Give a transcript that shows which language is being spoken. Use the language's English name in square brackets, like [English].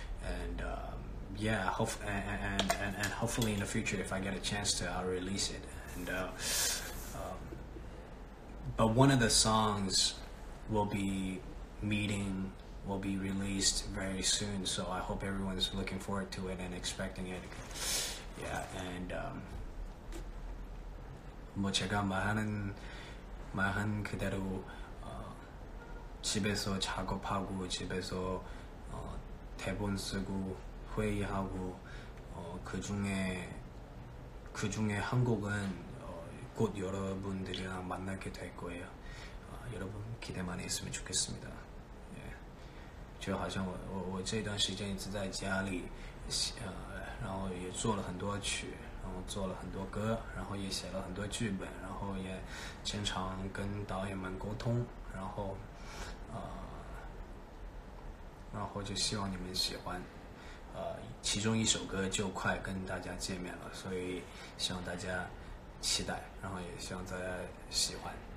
[English] And yeah, and hopefully in the future, if I get a chance to, I'll release it. And but one of the songs will be released very soon, so I hope everyone's looking forward to it and expecting it. Yeah, and [Korean] 뭐 제가 말한 그대로 집에서 작업하고 집에서 대본 쓰고 회의하고 그 중에 한 곡은 곧 여러분들이랑 만나게 될 거예요. 여러분 기대 많이 했으면 좋겠습니다. [Chinese] 就好像我这段时间一直在家里，然后也做了很多曲，然后做了很多歌，然后也写了很多剧本，然后也经常跟导演们沟通，然后就希望你们喜欢，其中一首歌就快跟大家见面了，所以希望大家期待，然后也希望大家喜欢。